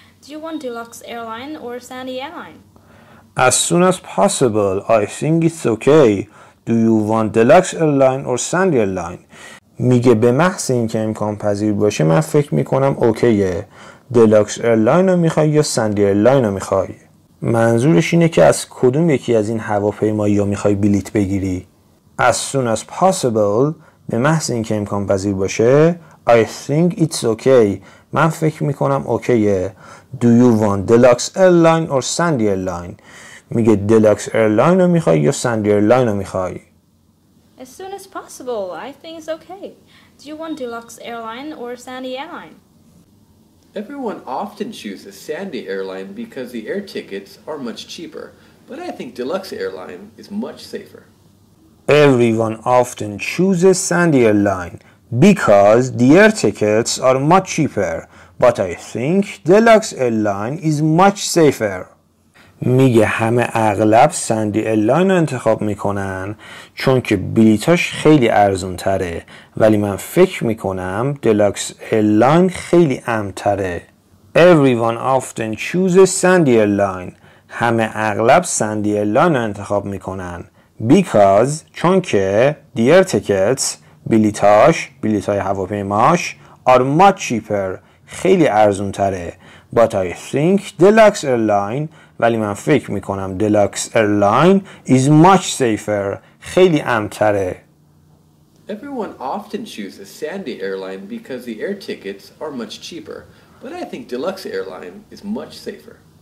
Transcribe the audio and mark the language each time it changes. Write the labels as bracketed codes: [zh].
[en] Do you want deluxe airline or Sandy airline? As soon as possible. I think it's okay. Do you want deluxe airline or Sandy airline? [fa] میگه به محض اینکه امکان پذیر باشه من فکر میکنم اوکیه. دلاکس ایرلاین رو میخوای یا سندی ایرلاین رو میخوای؟ منظورش اینه که از کدوم یکی از این هواپیمایی ها میخوای بلیت بگیری؟ [en] As soon as possible [fa] به محض اینکه امکان پذیر باشه [en] I think it's okay [fa] من فکر میکنم اوکیه. [en] Do you want deluxe airline or Sandy airline؟ [fa] میگه دلاکس ایرلاین رو میخوای یا سندی ایرلاین رو میخوای؟ [en] As soon as possible I think it's okay. Do you want deluxe airline or Sandy airline? Everyone often chooses Sandy Airline because the air tickets are much cheaper, but I think Deluxe Airline is much safer. Everyone often chooses Sandy Airline because the air tickets are much cheaper, but I think Deluxe Airline is much safer. [fa] میگه همه اغلب سندی ایرلاین رو انتخاب میکنن چون که بلیتاش خیلی ارزون تره ولی من فکر میکنم دلاکس ایرلاین خیلی امن تره. [en] Everyone often chooses Sandy Airline. [fa] همه اغلب سندی ایرلاین رو انتخاب میکنن [en] because [fa] چون که [en] the air tickets [fa] بلیتاش بلیتای هواپیماش [en] are much cheaper [fa] خیلی ارزون تره. [en] But I think [fa] دلاکس ایرلاین ولی من فکر میکنم دلاکس ایرلاین [en] is much safer [fa] خیلی امن‌تره. [en] Everyone often chooses Sandy Airline because the air tickets are much cheaper, but I think deluxe airline is much safer.